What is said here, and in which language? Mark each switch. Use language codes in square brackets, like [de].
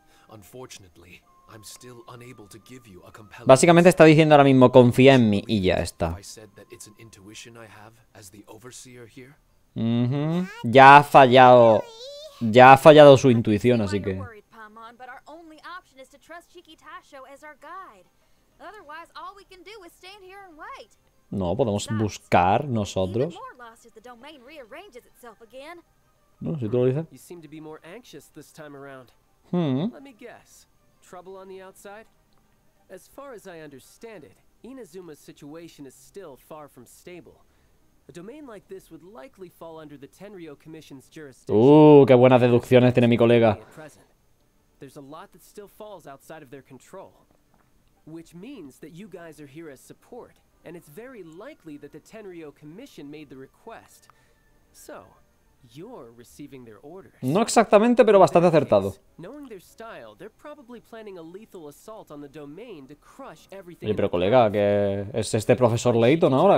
[en] Unfortunately, I'm still unable to give you a compelling. [es] Básicamente está diciendo ahora mismo confía en mí y ya está. [en] I said that it's an intuition I have as the overseer here. [es] Mm-hmm. Ya ha fallado su intuición, así que. [en] But our only option is to trust Shikitasho as our guide. Otherwise, all we can do is stand here and wait. [es] No, podemos buscar nosotros. [en] Even more lost as the domain rearranges itself again. [es] No, si tú lo dices. [en] You seem to be more anxious this time around. Hmm. Let me guess. Trouble on the outside? As far as I understand it, Inazuma's situation is still far from stable. A domain like this would likely fall under the Tenryou Commission's jurisdiction. [es] Qué buenas deducciones tiene mi colega. [en] there's a lot that still falls outside of their control. Which means that you guys are here as support, and it's very likely that the Tenryo Commission made the request. So, you're receiving their orders. [es] No exactamente, pero bastante acertado. [en] Knowing their style, they're probably planning a lethal assault on the domain to crush everything. [es] Oye, pero colega, ¿qué es este profesor Layton ahora?